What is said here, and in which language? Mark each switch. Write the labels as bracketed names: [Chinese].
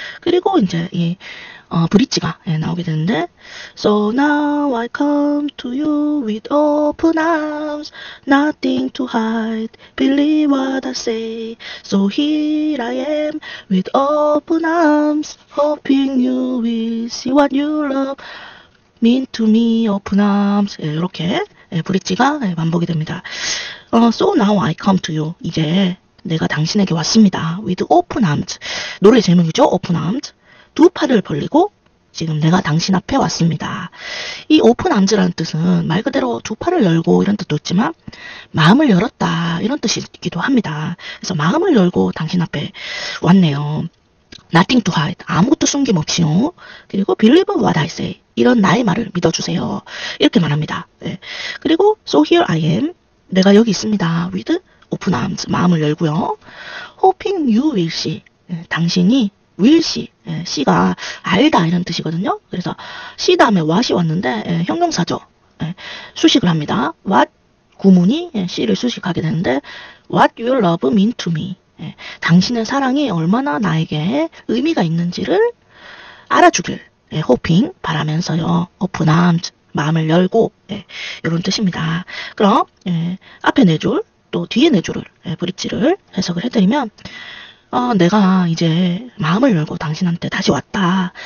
[Korean] 그리고 이제 이 브릿지가 나오게 되는데 [English] So now I come to you with open arms, nothing to hide, believe what I say. So here I am with open arms, hoping you will see what you love mean to me, open arms. [Korean] 이렇게 브릿지가 반복이 됩니다. [English] So now I come to you. [Korean] 이제 내가 당신에게 왔습니다. [English] With open arms. [Korean] 노래 제목이죠? [English] Open arms. [Korean] 두 팔을 벌리고 지금 내가 당신 앞에 왔습니다. 이 오픈 암즈라는 뜻은 말 그대로 두 팔을 열고 이런 뜻도 있지만 마음을 열었다 이런 뜻이기도 합니다. 그래서 마음을 열고 당신 앞에 왔네요. [English] Nothing to hide. [Korean] 아무것도 숨김없이요. [English] 그리고 believe what I say. [Korean] 이런 나의 말을 믿어주세요. 이렇게 말합니다. 네. [English] 그리고 so here I am. [Korean] 내가 여기 있습니다. [English] With open arms. [Korean] 마음을 열고요. [English] Hoping you will see. 네. [Korean] 당신이 will see, see가 알다 이런 뜻이거든요. 그래서 see 다음에 what이 왔는데 형용사죠. 수식을 합니다. what 구문이 see를 수식하게 되는데 [English] what your love mean to me. [Korean] 당신의 사랑이 얼마나 나에게 의미가 있는지를 알아주길 hoping 바라면서요. open arms, 마음을 열고 이런 뜻입니다. 그럼 앞에 네 줄, 또 뒤에 네 줄을 브릿지를 해석을 해드리면 내가 이제 마음을 열고 당신한테 다시 왔다.